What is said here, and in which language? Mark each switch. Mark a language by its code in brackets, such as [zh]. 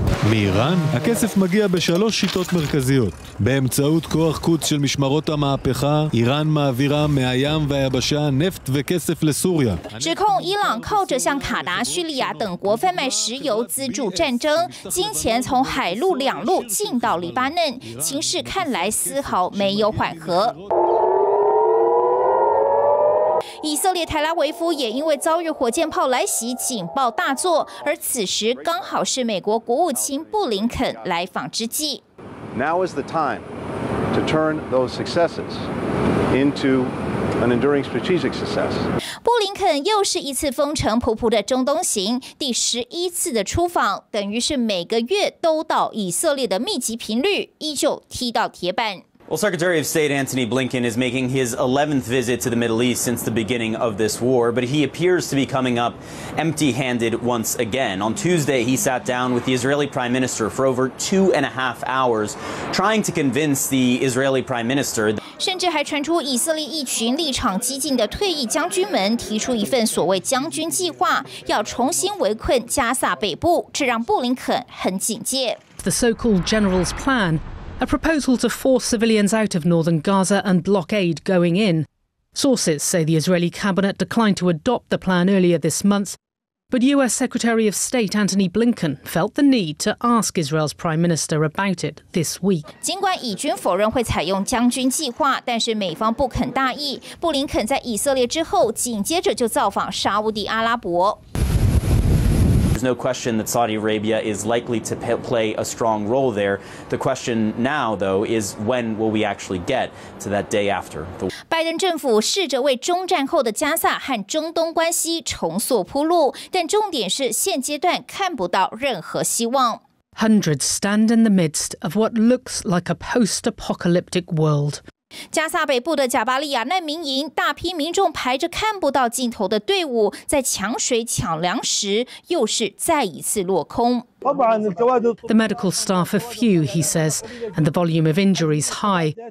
[he] מאיראן, הכסף מגיע בשלוש שיטות מרכזיות. באמצעות כוח קוץ של משמרות המהפכה, איראן מעבירה מהים והיבשה נפט וכסף לסוריה. [zh] 指控伊朗靠着向卡达、叙利亚等国贩卖石油资助战争，金钱从海陆两路进到黎巴嫩，情势看来丝毫没有缓和。以色列特拉维夫也因为遭遇火箭炮来袭，警报大作。而此时刚好是美国国务卿布林肯来访之际。 [en] Now is the time to turn those successes into an enduring strategic success. [zh] 布林肯又是一次风尘仆仆的中东行，第11次的出访，等于是每个月都到以色列的密集频率，依旧踢到铁板。 [en] Well, Secretary of State Antony Blinken is making his 11th visit to the Middle East since the beginning of this war, but he appears to be coming up empty-handed once again. On Tuesday, he sat down with the Israeli Prime Minister for over 2.5 hours, trying to convince the Israeli Prime Minister. [zh] 甚至还传出以色列一群立场激进的退役将军们提出一份所谓将军计划，要重新围困加萨北部，这让布林肯很警戒。 [en] The so-called General's Plan. A proposal to force civilians out of northern Gaza and block aid going in. Sources say the Israeli cabinet declined to adopt the plan earlier this month, but US Secretary of State Antony Blinken felt the need to ask Israel's Prime Minister about it this week. [zh] 尽管以军否认会采用将军计划，但是美方不肯大意。布林肯在以色列之后，紧接着就造访沙烏地阿拉伯。 [en] There's no question that Saudi Arabia is likely to play a strong role there. The question now, though, is when will we actually get to that day after? [zh] 拜登政府试着为中战后的加萨和中东关系重塑铺路，但重点是现阶段看不到任何希望。 [en] Hundreds stand in the midst of what looks like a post-apocalyptic world. [zh] 加萨北部的贾巴利亚难民营，大批民众排着看不到尽头的队伍，在抢水抢粮食，又是再一次落空。 [en] The medical staff are few, he says, and the volume of injuries high.